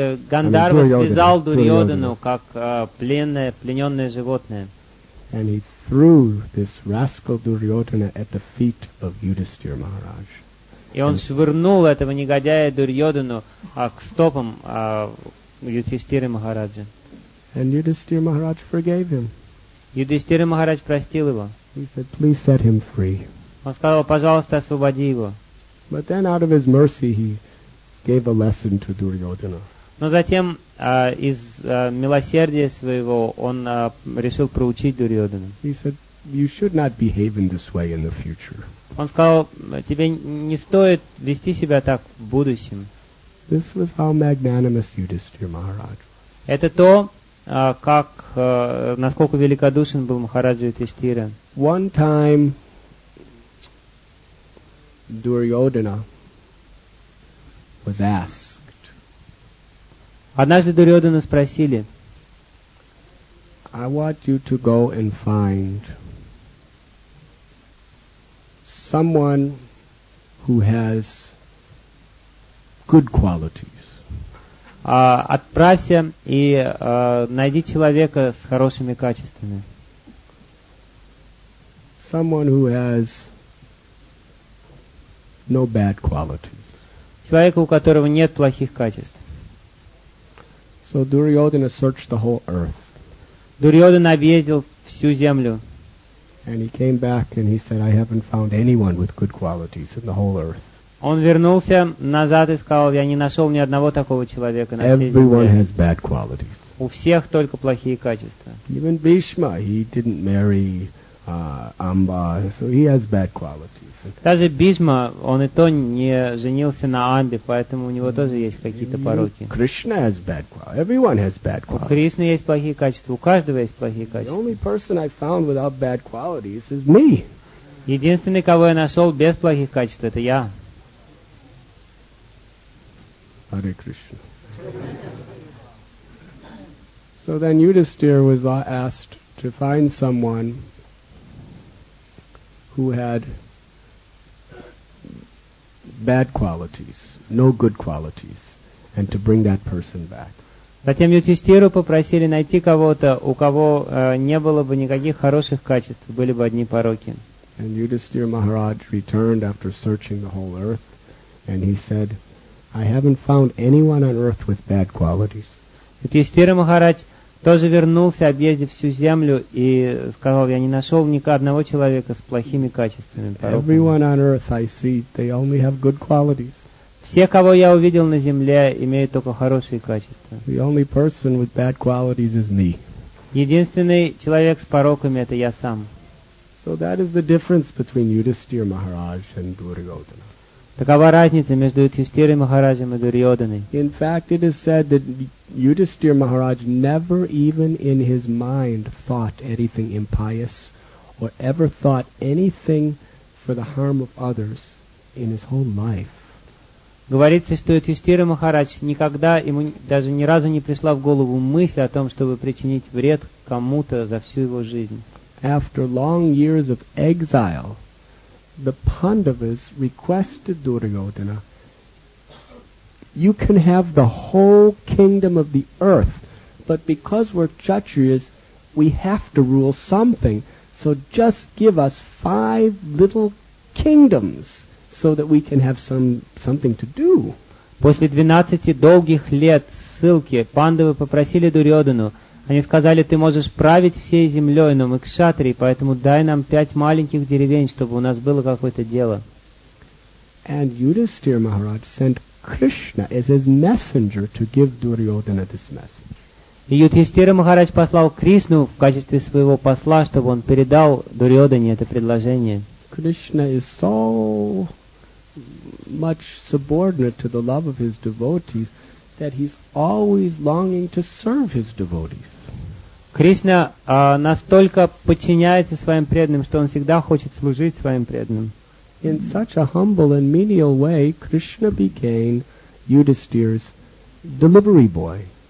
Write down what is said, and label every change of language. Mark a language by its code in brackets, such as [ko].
[ru] Гандхарва связал Дурьодхану как плененное животное. [en] And he threw this rascal Duryodhana at the feet of Yudhisthira Maharaj. [ru] И он швырнул этого негодяя Дурьодхану к стопам Юдхиштхиры Махараджа. [en] And Yudhisthira Maharaj forgave him. [ru] Юдхиштхира Махарадж простил его. [en] He said, "Please set him free." [ru] Он сказал: "Пожалуйста, освободи его." [en] But then, out of his mercy, he gave a lesson to Duryodhana. [ru] Но затем из милосердия своего он решил проучить Дурьодхана. [en] He said, "You should not behave in this way in the future." [ru] Он сказал: "Тебе не стоит вести себя так в будущем." [en] This was how magnanimous Yudhisthira Maharaj was. [ru] Это то, как насколько великодушен был Махараджа Юдхиштхира. [en] One time, Duryodhana was asked. [ru] Однажды Дурьодхану спросили: [en] "I want you to go and find someone who has good qualities." [ru] Отправься и найди человека с хорошими качествами. [en] Someone who has no bad qualities. [ru] Человека, у которого нет плохих качеств. [en] So Duryodhana searched the whole earth. [ru] Дурьодхана объездил всю землю. [en] And he came back and he said, "I haven't found anyone with good qualities in the whole earth." [ru] Он вернулся назад и сказал: "Я не нашел ни одного такого человека на всей земле." [en] Everyone has bad qualities. [ru] У всех только плохие качества. [en] Even Bhishma, he didn't marry Amba, so he has bad qualities. [ru] Даже Бхишма, он и то не женился на Амбе, поэтому у него тоже есть какие-то пороки. [en] Krishna has bad qualities. Everyone has bad qualities. [ru] У Кришны есть плохие качества, у каждого есть плохие качества. [en] The only person I found without bad qualities is me. [ru] Единственный, кого я нашел без плохих качеств, это я. [en] Hare Krishna. So then Yudhisthira was asked to find someone who had bad qualities, no good qualities, and to bring that person back. [ru] Затем Юдхиштхиру попросили найти кого-то, у кого не было бы никаких хороших качеств, были бы одни пороки. [en] And Yudhisthira Maharaj returned after searching the whole earth, and he said, "I haven't found anyone on earth with bad qualities." [ru] Юдхиштхира Махарадж тоже вернулся, объездив всю землю, и сказал: "Я не нашел ни одного человека с плохими качествами, пороками." [en] Everyone on earth I see, they only have good qualities. [ru] Все, кого я увидел на земле, имеют только хорошие качества. [en] The only person with bad qualities is me. [ru] Единственный человек с пороками — это я сам. [en] So that is the difference between Yudhisthira Maharaj and Duryodhana. [ru] Такова разница между Юдхиштхирой Махараджем и Дурьодханой. [en] In fact, it is said that Yudhisthira Maharaj never even in his mind thought anything impious or ever thought anything for the harm of others in his whole life. [ru] Говорится, что Юдхиштхира Махарадж никогда, ему даже ни разу не пришла в голову мысль о том, чтобы причинить вред кому-то за всю его жизнь. [en] After long years of exile, the Pandavas requested Duryodhana, "You can have the whole kingdom of the earth, but because we're Kshatriyas, we have to rule something, so just give us 5 little kingdoms, so that we can have something to do." [ru] После 12 долгих лет ссылки Пандавы попросили Дурьодхану. Они сказали, ты можешь править всей землей, но мы кшатрии, поэтому дай нам 5 маленьких деревень, чтобы у нас было какое-то дело. [en] And Yudhisthira Maharaj sent Krishna as his messenger to give Duryodhana this message. [ru] И Юдхиштхира Махарадж послал Кришну в качестве своего посла, чтобы он передал Дурьодхане это предложение. [en] Krishna is so much subordinate to the love of his devotees that he's always longing to serve his devotees. [ru] Кришна настолько подчиняется своим преданным, что он всегда хочет служить своим преданным. [en] In such a humble and menial way, Krishna became Yudhisthira's delivery boy.